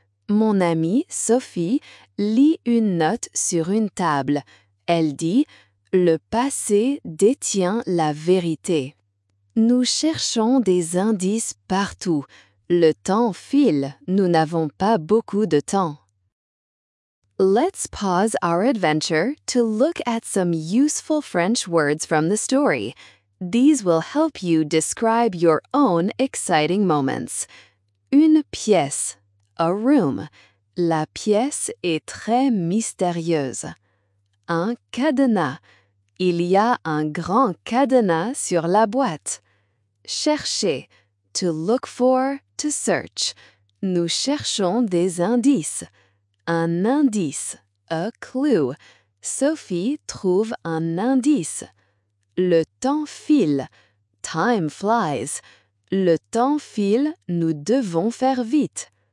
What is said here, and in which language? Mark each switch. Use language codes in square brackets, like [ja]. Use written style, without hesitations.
[fr] Mon amie, Sophie, lit une note sur une table. Elle dit « Le passé détient la vérité ». Nous cherchons des indices partout. Le temps file. Nous n'avons pas beaucoup de temps. [en] Let's pause our adventure to look at some useful French words from the story. These will help you describe your own exciting moments. [fr] Une pièce, [en] a room. [fr] La pièce est très mystérieuse. Un cadenas. Il y a un grand cadenas sur la boîte. Chercher, [en] to look for, to search. [fr] Nous cherchons des indices. Un indice, [en] a clue. [fr] Sophie trouve un indice. Le temps file, [en] time flies. [fr] Le temps file, nous devons faire vite.